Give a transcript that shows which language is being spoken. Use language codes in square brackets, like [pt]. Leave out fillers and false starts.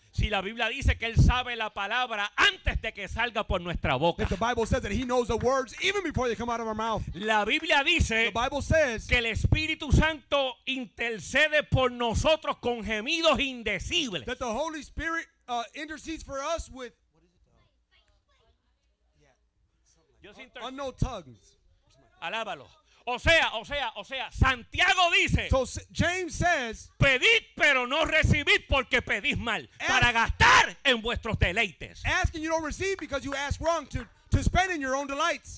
[es] Si la Biblia dice que él sabe la palabra antes de que salga por nuestra boca. [en] If the Bible says that he knows the words even before they come out of our mouth. [es] La Biblia dice, [en] the Bible says, [es] que el Espíritu Santo intercede por nosotros con gemidos indecibles. [en] That the Holy Spirit intercedes for us with unknown tongues. [es] Alábalo. O sea, Santiago dice, [en] so James says, [es] pedid pero no recibid porque pedís mal, [en] ask, [es] para gastar en vuestros deleites. [en] Ask and you don't receive because you ask wrong to spend in your own delights.